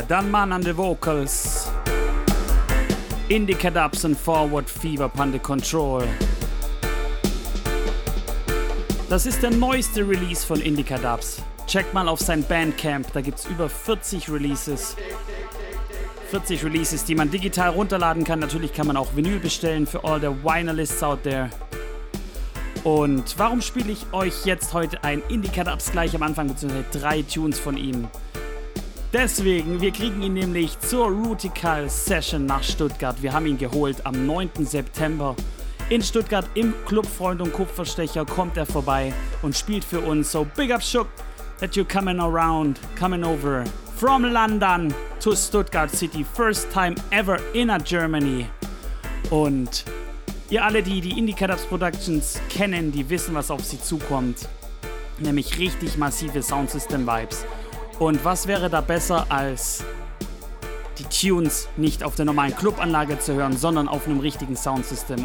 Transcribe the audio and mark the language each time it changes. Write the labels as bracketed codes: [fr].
[en] Mann an the Vocals, Indica Dubs and Forward Fever Panda Control. [de] Das ist der neueste Release von Indica Dubs. Check mal auf sein Bandcamp, da gibt's über 40 Releases. 40 Releases, die man digital runterladen kann. Natürlich kann man auch Vinyl bestellen für [en] all the Vinylists out there. [de] Und warum spiele ich euch jetzt heute ein Indie-Cut-Ups gleich am Anfang, beziehungsweise drei Tunes von ihm? Deswegen, wir kriegen ihn nämlich zur Rootikal Session nach Stuttgart. Wir haben ihn geholt am 9. September in Stuttgart im Club Freund und Kupferstecher. Kommt er vorbei und spielt für uns. [en] So big up, Schuck, that you're coming around, coming over from London to Stuttgart City. First time ever in a Germany. [de] Und ihr alle, die Indie Cut-Ups Productions kennen, die wissen, was auf sie zukommt. Nämlich richtig massive Soundsystem-Vibes. Und was wäre da besser, als die Tunes nicht auf der normalen Clubanlage zu hören, sondern auf einem richtigen Soundsystem.